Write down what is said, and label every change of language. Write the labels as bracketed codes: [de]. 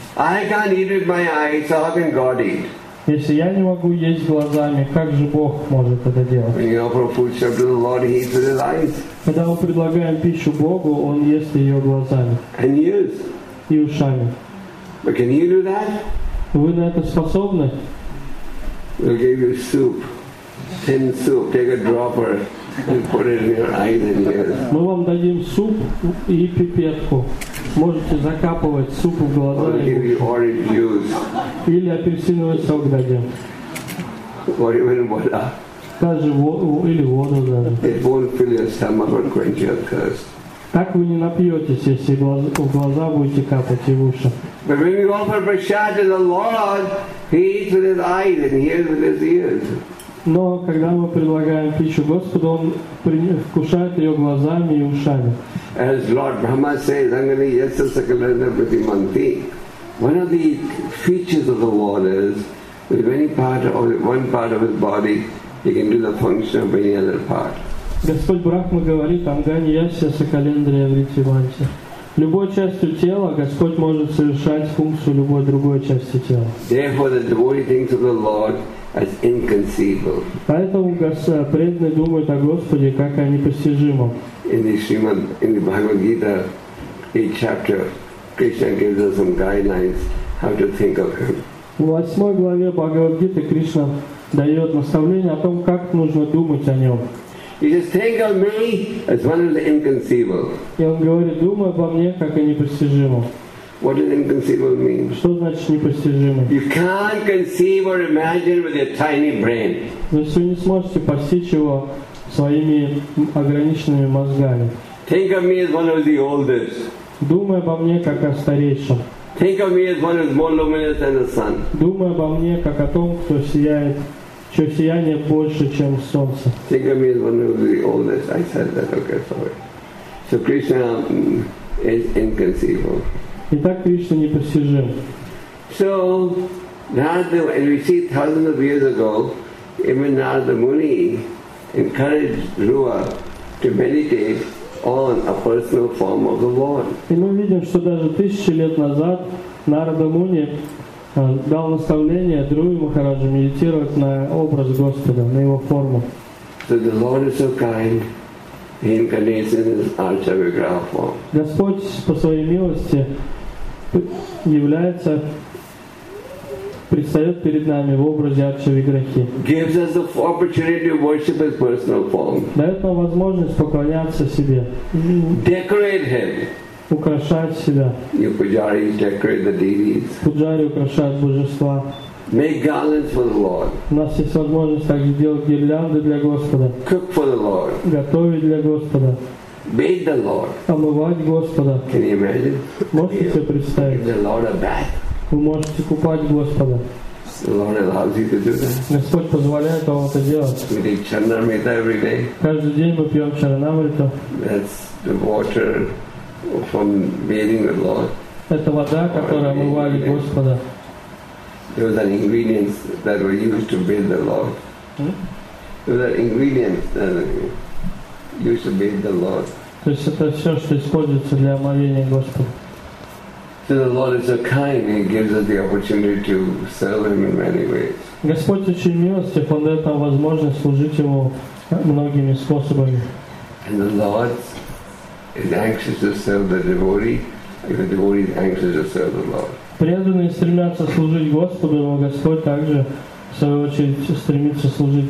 [en] I can't eat with my eyes, so how can God eat? [ru] Если я не могу есть глазами, как же Бог может это делать? Когда мы предлагаем пищу Богу, Он ест ее глазами. [en] And ears. [ru] И ушами. [en] But can you do that? [ru] Вы на это способны? [en] We'll give you soup. Thin soup. Take a dropper and put it in your eyes and ears. [ru] Мы вам дадим суп и пипетку. Можете закапывать суп в глаза или апельсиновый сок дадим. [en] Or even water. [ru] Даже или воду даже. [en] It won't fill your stomach or quench your thirst. [ru] Так вы не напьетесь, если в глаза будете капать и в уши. [en] But when you offer prasad to the Lord, he eats with his eyes and hears with his ears. [ru] Но когда мы предлагаем пищу Господу, Он вкушает ее глазами и ушами. [en] As Lord Brahma says, [sa] Angani Yasya Sakalena Pratimanti, [en] one of the features of the Lord is with one part of his body he can do the function of any other part. [ru] Господь Брахма говорит, [sa] Ангани Ясья Сакалендрия Вритиманти. [ru] Любой частью тела Господь может совершать функцию любой другой части тела. [en] Therefore the devotee thinks of the Lord as inconceivable. [ru] Поэтому преданные думают о Господе как о непостижимом. [en] In the Shrimad, in the Bhagavad Gita, each chapter, Krishna gives us some guidelines how to think of Him. [ru] В 8 главе Бхагавад Гиты Кришна дает наставление о том, как нужно думать о Нем. [en] He says, "Think of Me as one of the inconceivable." [ru] И он говорит, думай обо мне как о непостижимом. [en] What does inconceivable mean? [ru] Что значит непостижимый? [en] You can't conceive or imagine with your tiny brain. [ru] Вы не сможете постичь его своими ограниченными мозгами. [en] Think of me as one of the oldest. [ru] Думай обо мне как о старейшем. [en] Think of me as one who is more luminous than the sun. [ru] Думай обо мне как о том, кто сияет, чье сияние больше, чем солнце. [en] Think of me as one of the oldest. I said that. Okay, sorry. So Krishna is inconceivable. [ru] Итак, Кришна непостижим. [en] So, Narada, and we see thousands of years ago, even Narada Muni encouraged Rua to meditate on a personal form of the Lord. [ru] И мы видим, что даже тысячи лет назад Нарада Муни дал наставление Друи Махараджу медитировать на образ Господа, на его форму. [en] So the Lord is so kind, He incarnates in His Archavigraha form. [ru] Господь по своей милости является, предстает перед нами в образе Арчавиграхи. [en] Gives us the opportunity to worship His personal form. [ru] Дает нам возможность поклоняться себе. [en] Decorate Him. [ru] Украшать себя. [en] Your pujaris decorate the deities. [ru] Пуджари украшают божества. [en] Make garlands for the Lord. [ru] У нас есть возможность также делать гирлянды для Господа. [en] Cook for the Lord. [ru] Готовить для Господа. [en] Bathe the Lord. [ru] Омывать Господа. [en] Can you imagine? [ru] Можете себе представить? [en] Give the Lord a bath. [ru] Вы можете купать Господа. [en] The Lord allows you to do that. [ru] Господь позволяет вам это делать. [en] We drink Charanamrita every day. [ru] Каждый день мы пьем Чаранамриту. [en] That's the water from bathing the Lord. [ru] Это вода, которая омывали Господа. [en] Those are ingredients that were used to bathe the Lord. Those are ingredients that used to bathe the Lord. [ru] То есть это все, что используется для омовения Господа. [en] So the Lord is so kind, He gives us the opportunity to serve Him in many ways. [ru] Господь очень милостив, Он дает нам возможность служить Ему многими способами. [en] And the Lord is anxious to serve the devotee, if the devotee is anxious to serve the Lord. [ru] Преданные стремятся служить Господу, но Господь также, в свою очередь, стремится служить